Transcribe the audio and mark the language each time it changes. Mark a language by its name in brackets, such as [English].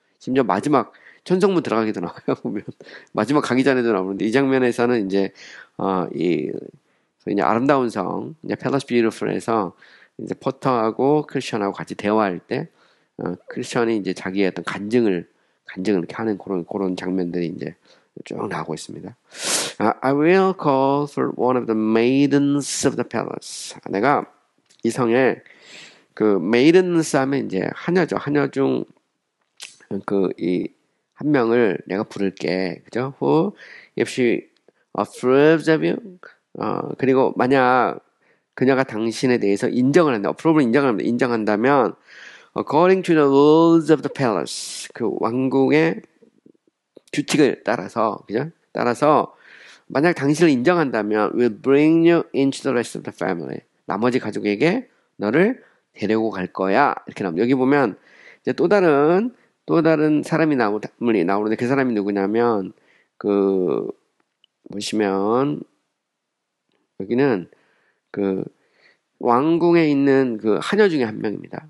[Korean] 심지어 마지막 천성문 들어가기도 나와요. 보면 마지막 가기 전에도 나오는데 이 장면에서는 이제 이 이제 아름다운 성, 이제 Palace Beautiful에서 이제 포터하고 크리스천하고 같이 대화할 때 크리스천이 이제 자기의 어떤 간증을 이렇게 하는 그런 장면들이 이제 쭉 나오고 있습니다. [English] I will call for one of the maidens of the palace. [Korean] 내가 이 성에 그 maidens 하면 이제 하녀죠. 하녀 중그이한 명을 내가 부를게. [English] 그죠? Who, if she approves of you. [Korean] 그리고 만약 그녀가 당신에 대해서 인정을 한다. approve를 인정합니다. 인정한다면 [English] according to the rules of the palace. [Korean] 그 왕궁의 규칙을 따라서, 그죠? 따라서, 만약 당신을 인정한다면, [English] will bring you into the rest of the family. [Korean] 나머지 가족에게 너를 데려고 갈 거야. 이렇게 나옵니다. 여기 보면, 이제 또 다른 사람이 나오는데, 그 사람이 누구냐면, 보시면, 여기는, 왕궁에 있는 그 하녀 중에 한 명입니다.